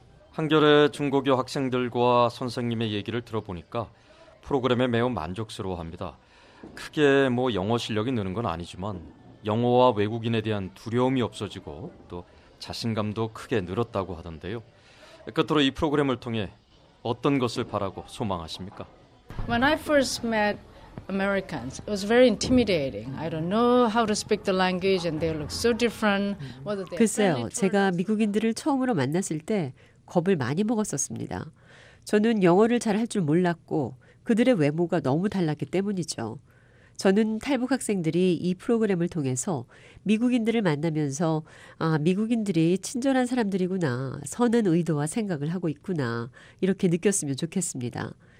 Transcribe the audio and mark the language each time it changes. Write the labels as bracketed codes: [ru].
[ko] 한겨레 중고교 학생들과 선생님의 얘기를 들어보니까 프로그램에 매우 만족스러워합니다. 크게 뭐 영어 실력이 느는 건 아니지만 영어와 외국인에 대한 두려움이 없어지고 또 자신감도 크게 늘었다고 하던데요. 끝으로 이 프로그램을 통해 어떤 것을 바라고 소망하십니까? [en] When I first met Americans, it was very intimidating. I don't know how to speak the language and they look so different. [ko] 글쎄요, 제가 미국인들을 처음으로 만났을 때 겁을 많이 먹었었습니다. 저는 영어를 잘 할 줄 몰랐고 그들의 외모가 너무 달랐기 때문이죠. 저는 탈북 학생들이 이 프로그램을 통해서 미국인들을 만나면서 아, 미국인들이 친절한 사람들이구나, 선한 의도와 생각을 하고 있구나, 이렇게 느꼈으면 좋겠습니다.